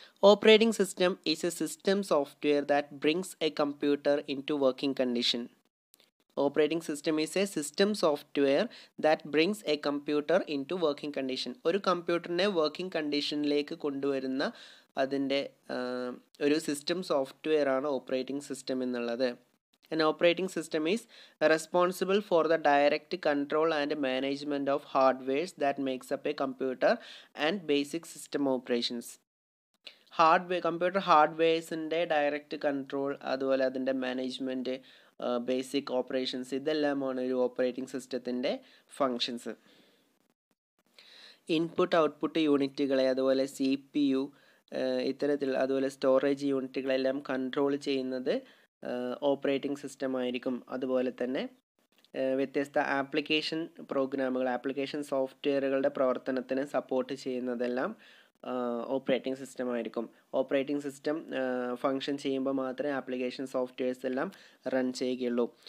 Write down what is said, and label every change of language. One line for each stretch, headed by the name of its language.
English: Operating system is a system software that brings a computer into working condition. Operating system is a system software that brings a computer into working condition.
Malayalam: ഒരു കമ്പ്യൂട്ടറിനെ working കണ്ടീഷനിലേക്ക് കൊണ്ടുവരുന്ന അതിൻ്റെ ഒരു system software ആണ് operating system എന്നുള്ളത്.
English: An operating system is responsible for the direct control and management of hardwares that makes up a computer and basic system operations.
Malayalam: Computer hardwares inde direct control adu pole adinte management basic operations idellam aanu oru operating system inde functions. Input output unitukale adu pole CPU itharathil adu pole storage unitukale ellam control cheynathu operating system ആയിരിക്കും. അതുപോലെ തന്നെ വ്യത്യസ്ത application പ്രോഗ്രാമുകൾ, application സോഫ്റ്റ്വെയറുകളുടെ പ്രവർത്തനത്തിന് support ചെയ്യുന്നതെല്ലാം operating system ആയിരിക്കും. Operating system function ചെയ്യുമ്പോൾ മാത്രമേ ആപ്ലിക്കേഷൻ സോഫ്റ്റ്വെയർസ് എല്ലാം റൺ ചെയ്യുകയുള്ളൂ.